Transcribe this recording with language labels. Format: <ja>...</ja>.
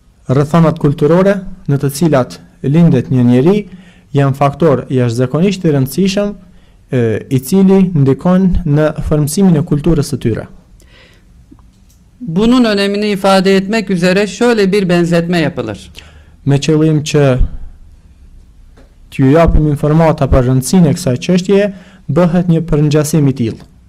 <sq>Rrethanat kulturore në të cilat lindet një njeri janë faktor jashtëzakonisht i rëndësishëm i cili ndikon në formësimin e kulturës së tyre.</sq> <tr>Bunun önemini ifade etmek üzere şöyle bir benzetme yapılır.</tr> <sq>Me qëllim që t'ju japim informata për rëndësinë e kësaj çështje, bëhet një përngjasim i tillë.</sq>